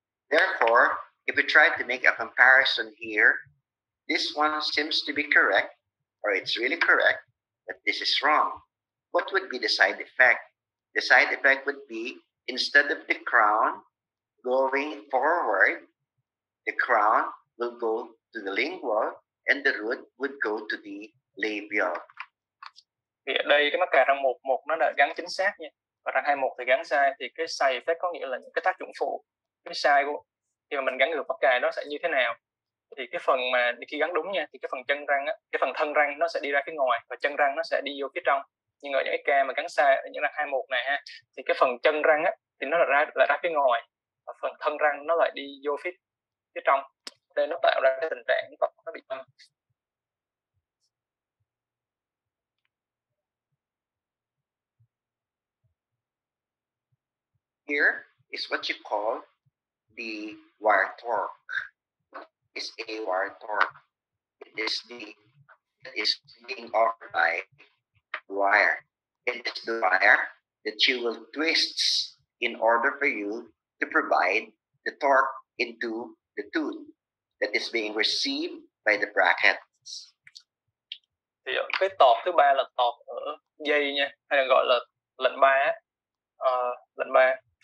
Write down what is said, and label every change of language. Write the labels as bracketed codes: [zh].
[en] Therefore, if we try to make a comparison here, this one seems to be correct, or it's really correct, but this is wrong. What would be the side effect? The side effect would be, instead of the crown going forward, the crown will go to the lingual and the root will go to the labial. [vi] Thì ở đây cái mắc cài răng 1-1 nó đã gắn chính xác nha. Và răng 2-1 thì gắn sai. Thì cái say effect có nghĩa là những cái tác dụng phụ, cái sai của khi mà mình gắn được mắc cài nó sẽ như thế nào. Thì cái phần mà khi gắn đúng nha, thì cái phần chân răng á, cái phần thân răng nó sẽ đi ra phía ngoài và chân răng nó sẽ đi vô phía trong. Nhưng ở những cái ca mà gắn sai ở những răng 2-1 này ha, thì cái phần chân răng á thì nó lại ra phía ngoài và phần thân răng nó lại đi vô phía trong. Nên nó tạo ra cái tình trạng nó bị tăng. [en] Here is what you call the wire torque. It's a wire torque. It is being offered by wire. It is the wire that you will twist in order for you to provide the torque into the tune that is being received by the brackets. [vi] Thì cái torque thứ ba là torque ở dây nha, hay là gọi là lệnh ba. Lệnh ba.